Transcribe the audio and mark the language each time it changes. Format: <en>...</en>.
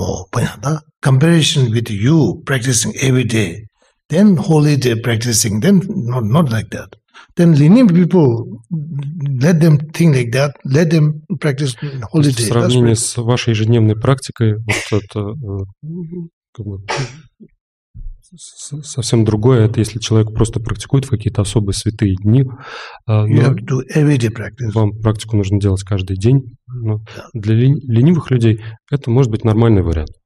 <ru>О, понятно, да?</ru> <en>Comparison with you practicing every day, then holy day practicing, then not like that. Then lenient people, let them think like that, let them practice holy day.</en> <ru>В сравнении с вашей ежедневной практикой, вот это как бы... Совсем другое, это если человек просто практикует в какие-то особые святые дни. Вам практику нужно делать каждый день. Но</ru> <en>yeah.</en> <ru>Для ленивых людей это может быть нормальный вариант.</ru>